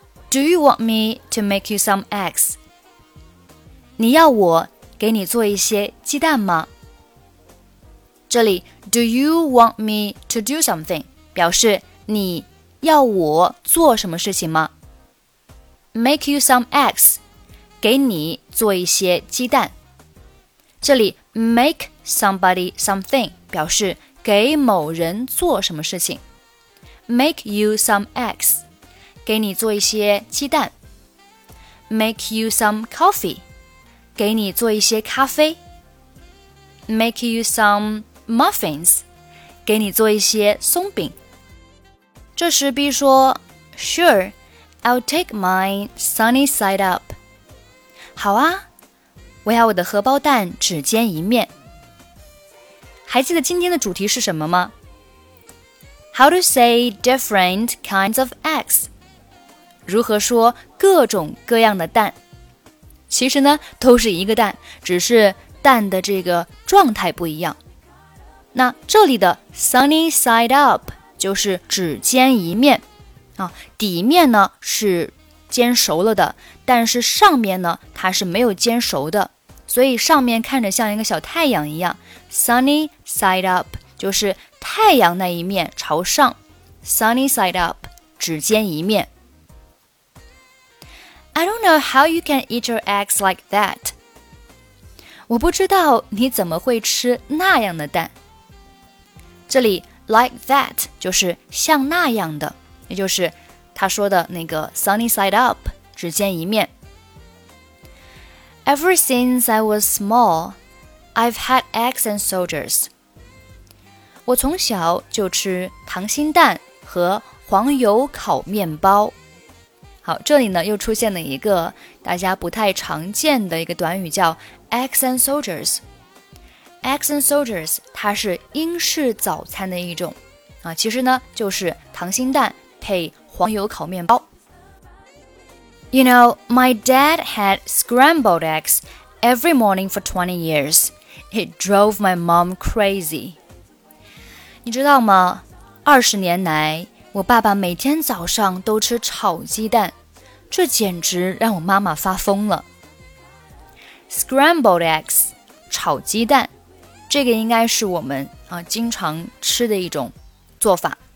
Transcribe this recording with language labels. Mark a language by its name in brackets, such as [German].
[English] Do you want me to make you some eggs？ [Chinese] 你要我给你做一些鸡蛋吗？这里 [English] Do you want me to do something? [Chinese] 表示你要我做什么事情吗？ [English] Make you some eggs， [Chinese] 给你做一些鸡蛋。这里 make somebody something 表示给某人做什么事情。 [English] Make you some eggs, [Chinese] 给你做一些鸡蛋。 [English] Make you some coffee, [Chinese] 给你做一些咖啡。 [English] Make you some muffins, [Chinese] 给你做一些松饼。这时 B 说 [English] Sure, I'll take my sunny side up. [Chinese] 好啊，我要我的荷包蛋只煎一面。还记得今天的主题是什么吗？ [English] How to say different kinds of eggs? [Chinese] 如何说各种各样的蛋？其实呢，都是一个蛋，只是蛋的这个状态不一样。那这里的 sunny side up 就是只煎一面，底面呢是煎熟了的，但是上面呢它是没有煎熟的，所以上面看着像一个小太阳一样。 sunny side up 就是太阳那一面朝上， sunny side up, 只煎一面。 [English] I don't know how you can eat your eggs like that. [Chinese] 我不知道你怎么会吃那样的蛋。这里 like that 就是像那样的，也就是他说的那个 sunny side up, 只煎一面。 [English] Ever since I was small, I've had eggs and soldiers. [Chinese] 我从小就吃糖心蛋和黄油烤面包。好，这里呢又出现了一个大家不太常见的一个短语，叫 eggs and soldiers。 eggs and soldiers 它是英式早餐的一种，其实呢就是糖心蛋配黄油烤面包。 [English] You know, my dad had scrambled eggs every morning for 20 years. It drove my mom crazy. [Chinese] 你知道吗？ 20年来，我爸爸每天早上都吃炒鸡蛋，这简直让我妈妈发疯了。 Scrambled eggs, 炒鸡蛋，这个应该是我们经常吃的一种做法。